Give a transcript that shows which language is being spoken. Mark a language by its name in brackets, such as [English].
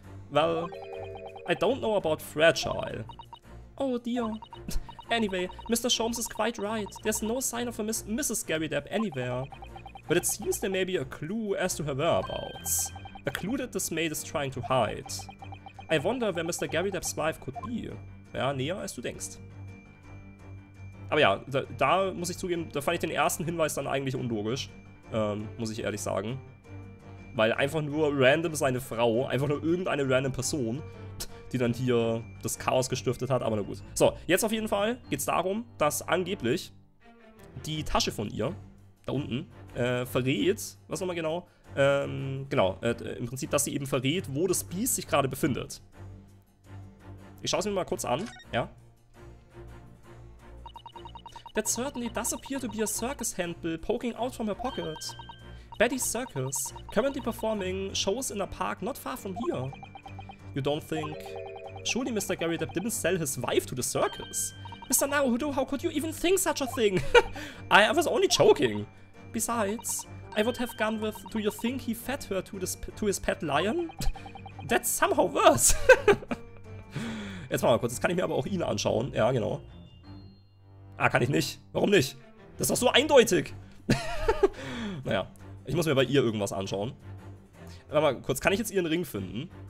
[English] Well, I don't know about fragile. Oh dear. Anyway, Mr. Sholmes is quite right. There's no sign of a Mrs. Gary Depp anywhere. But it seems there may be a clue as to her whereabouts. A clue that this maid is trying to hide. I wonder where Mr. Gary Depp's wife could be. [German] Ja, näher als du denkst. Aber ja, da muss ich zugeben, da fand ich den ersten Hinweis dann eigentlich unlogisch. Muss ich ehrlich sagen. Weil einfach nur random seine Frau, einfach nur irgendeine random Person, die dann hier das Chaos gestiftet hat, aber na gut. So, jetzt auf jeden Fall geht's darum, dass angeblich die Tasche von ihr, da unten, verrät, was nochmal genau, im Prinzip, dass sie eben verrät, wo das Biest sich gerade befindet. Ich schaue es mir mal kurz an, ja. [English] That certainly does appear to be a circus handbill poking out from her pocket. Betty's Circus, currently performing shows in a park not far from here. You don't think... Surely Mr. Gary Depp didn't sell his wife to the circus. Mr. Naruhodo, how could you even think such a thing? I was only joking. Besides, I would have gone with... Do you think he fed her to his pet lion? That's somehow worse. [German] Jetzt mal kurz, das kann ich mir aber auch ihn anschauen. Ja, genau. Ah, kann ich nicht. Warum nicht? Das ist doch so eindeutig. Naja. Ich muss mir bei ihr irgendwas anschauen. Warte mal kurz, kann ich jetzt ihren Ring finden?